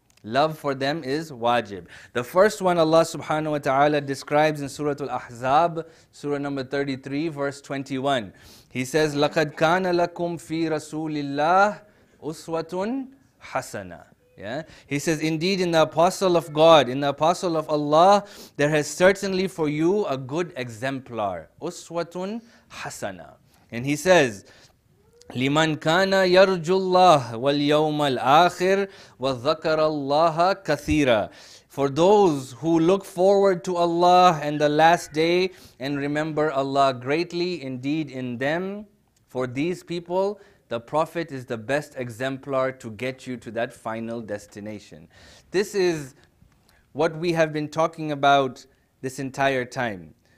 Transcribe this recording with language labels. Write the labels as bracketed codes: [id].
[en] Love for them is wajib. The first one Allah subhanahu wa ta'ala describes in Surah Al-Ahzab, Surah number 33, verse 21. He says, [ar] لَقَدْ كَانَ لَكُمْ فِي رَسُولِ اللَّهِ أُسْوَةٌ حَسَنًا. [en] Yeah? He says, indeed in the Apostle of God, in the Apostle of Allah, there has certainly for you a good exemplar. [ar] Uswatun hasana. [en] And he says, [ar] لِمَنْ كَانَ يَرْجُ اللَّهِ وَالْيَوْمَ الْآخِرِ وَذَكَرَ اللَّهَ كَثِيرًا. [en] For those who look forward to Allah and the last day and remember Allah greatly, indeed in them, for these people, the Prophet is the best exemplar to get you to that final destination. This is what we have been talking about this entire time.